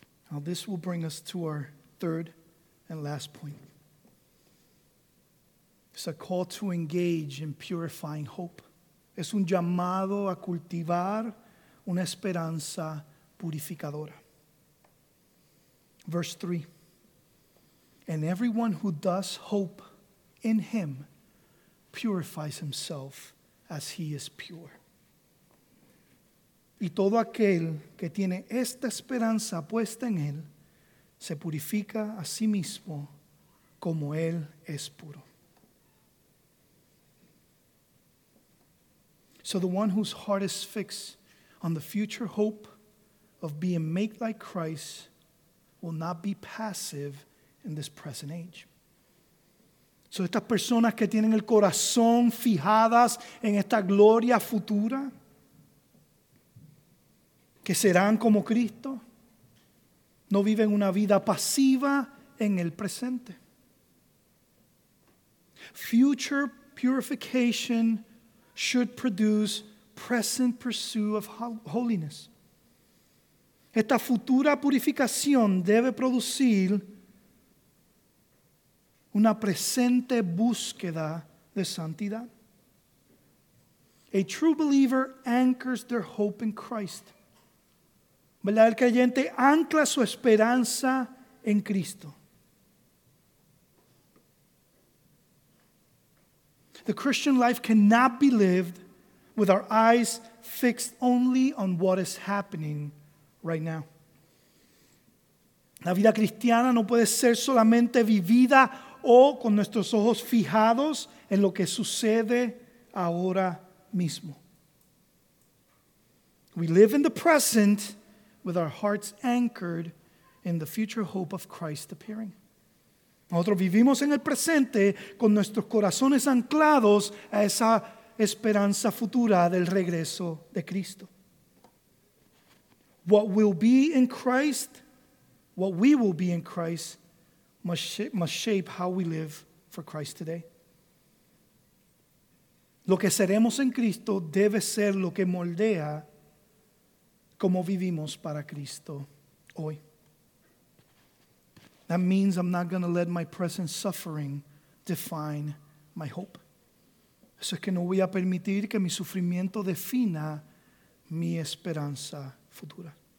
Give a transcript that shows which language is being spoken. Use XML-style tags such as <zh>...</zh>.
<en>Now this will bring us to our third and last point. It's a call to engage in purifying hope.</en> <es>Es un llamado a cultivar una esperanza purificadora.</es> <en>Verse 3, and everyone who does hope in him purifies himself as he is pure.</en> <es>Y todo aquel que tiene esta esperanza puesta en él se purifica a sí mismo como él es puro.</es> <en>So the one whose heart is fixed on the future hope of being made like Christ will not be passive in this present age.</en> <es>So estas personas que tienen el corazón fijadas en esta gloria futura, que serán como Cristo, no viven una vida pasiva en el presente.</es> <en>Future purification should produce present pursuit of holiness.</en> <es>Esta futura purificación debe producir una presente búsqueda de santidad.</es> <en>A true believer anchors their hope in Christ.</en> <es>¿Verdad? El creyente ancla su esperanza en Cristo.</es> <en>The Christian life cannot be lived with our eyes fixed only on what is happening right now.</en> <es>La vida cristiana no puede ser solamente vivida o con nuestros ojos fijados en lo que sucede ahora mismo.</es> <en>We live in the present with our hearts anchored in the future hope of Christ appearing.</en> <es>Nosotros vivimos en el presente con nuestros corazones anclados a esa esperanza futura del regreso de Cristo.</es> <en>What will be in Christ, what we will be in Christ, must shape how we live for Christ today.</en> <es>Lo que seremos en Cristo debe ser lo que moldea cómo vivimos para Cristo hoy.</es> <en>That means I'm not going to let my present suffering define my hope.</en> <es>Eso es que no voy a permitir que mi sufrimiento defina mi esperanza futura.</es>